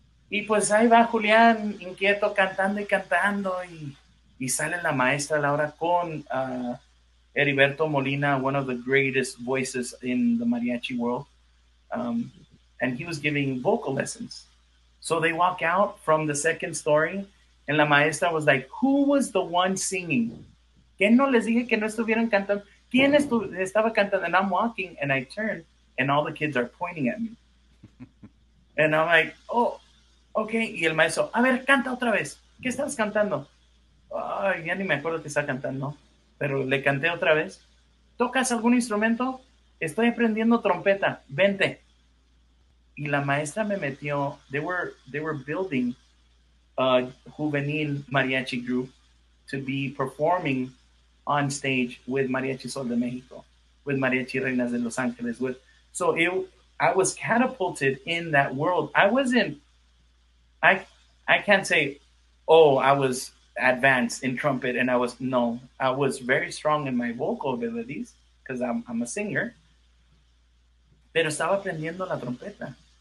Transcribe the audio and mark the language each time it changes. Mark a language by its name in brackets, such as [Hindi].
[Spanish] Y pues ahí va Julián, inquieto, cantando y cantando y sale la maestra Laura con Heriberto Molina, one of the greatest voices in the mariachi world. [English] And he was giving vocal lessons. So they walk out from the second story, and la maestra was like, who was the one singing? [Spanish] ¿Quién no les dije que no estuvieran cantando? ¿Quién estaba cantando? [English] And I'm walking, and I turn, and all the kids are pointing at me. And I'm like, oh, okay. [Spanish] Y el maestro, a ver, canta otra vez. ¿Qué estás cantando? Ay, ya ni me acuerdo que estaba cantando, pero le canté otra vez. ¿Tocas algún instrumento? Estoy aprendiendo trompeta. Vente. Y la maestra me metió. [English] They were building a juvenil mariachi group to be performing on stage with Mariachi Sol de Mexico, with Mariachi Reinas de Los Angeles. I was catapulted in that world. I can't say, oh, I was advanced in trumpet and I was very strong in my vocal abilities because I'm a singer, pero estaba aprendiendo la trompeta.